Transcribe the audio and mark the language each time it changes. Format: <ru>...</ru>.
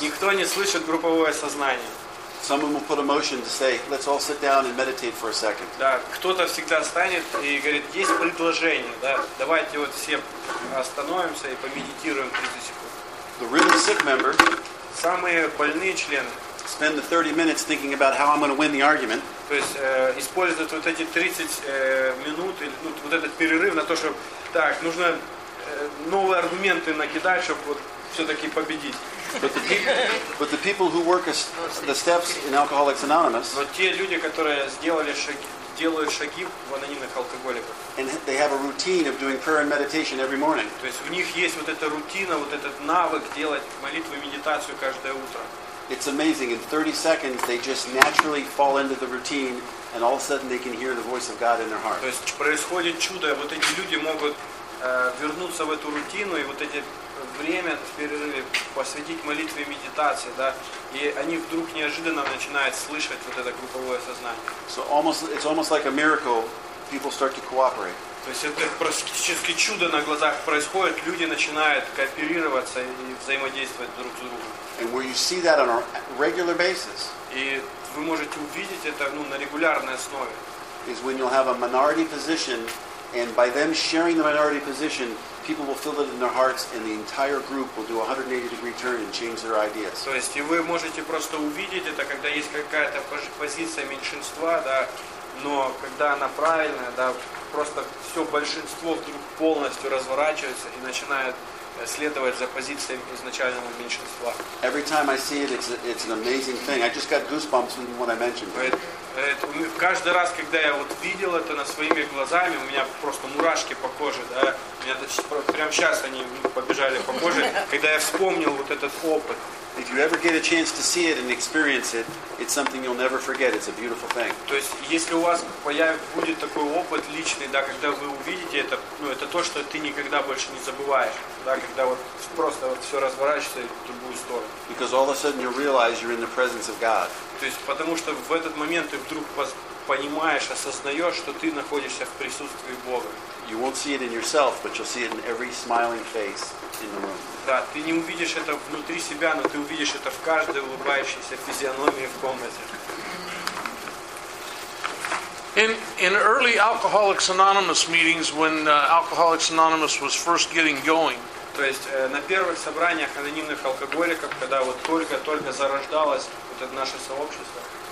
<ru>никто не слышит групповое сознание.</ru> <en>Some of them will put a motion to say, "Let's all sit down and meditate for a second."</en> <ru>Да, кто-то всегда встанет и говорит, есть предложение, да, давайте вот все остановимся и помедитируем 30 секунд.</ru> <en>The really sick member,</en> <ru>самые больные члены,</ru> <en>spend the 30 minutes thinking about how I'm going to win the argument.</en> <ru>То есть используют вот эти 30 минут, вот этот перерыв на то, чтобы так, нужно новые аргументы накидать, чтобы вот все-таки победить.</ru> <en>But the people who work as the steps in Alcoholics Anonymous.</en> <ru>Но те люди, которые сделали шаги, делают шаги в анонимных алкоголиках.</ru> <en>And they have a routine of doing prayer and meditation every morning.</en> <ru>То есть у них есть вот эта рутина, вот этот навык делать молитву и медитацию каждое утро.</ru> <en>It's amazing. In 30 seconds, they just naturally fall into the routine, and all of a sudden, they can hear the voice of God in their heart.</en> <ru>То есть происходит чудо. Вот эти люди могут вернуться в эту рутину и вот эти время в перерыве посвятить молитве и медитации, да, и они вдруг неожиданно начинают слышать вот это групповое сознание.</ru> <en>So almost, it's almost like a miracle. People start to cooperate.</en> <ru>То есть это практически чудо на глазах происходит. Люди начинают кооперироваться и взаимодействовать друг с другом.</ru> <en>And where you see that on a regular basis.</en> <ru>И вы можете увидеть это, ну, на регулярной основе.</ru> <en>Is when you'll have a minority position, and by them sharing the minority position, people will feel it in their hearts, and the entire group will do a 180-degree turn and change their ideas.</en> <ru>То есть, и вы можете просто увидеть это, когда есть какая-то позиция меньшинства, да, но когда она правильная, да, просто все большинство вдруг полностью разворачивается и начинает следовать за позициями изначального меньшинства.</ru> <en>Every time I see it, it's an amazing thing. I just got goosebumps from what I mentioned.</en> <ru>Каждый раз, когда я вот видел это на своими глазами, у меня просто мурашки по коже, да, у меня даже прямо сейчас они побежали по коже, когда я вспомнил вот этот опыт.</ru> <en>If you ever get a chance to see it and experience it, it's something you'll never forget. It's a beautiful thing.</en> <ru>То есть, если у вас будет такой опыт личный, да, когда вы увидите это, ну, это то, что ты никогда больше не забываешь, да, когда вот просто вот все разворачивается в другую сторону.</ru> <en>Because all of a sudden you realize you're in the presence of God.</en> <ru>То есть, потому что в этот момент ты вдруг понимаешь, осознаешь, что ты находишься в присутствии Бога.</ru> <en>You won't see it in yourself, but you'll see it in every smiling face in the room.</en> <ru>Да, ты не увидишь это внутри себя, но ты увидишь это в каждой улыбающейся физиономии в комнате.</ru> <en>In early Alcoholics Anonymous meetings, when Alcoholics Anonymous was first getting going.</en> <ru>То есть на первых собраниях анонимных алкоголиков, когда вот только-только зарождалось вот это наше сообщество.</ru>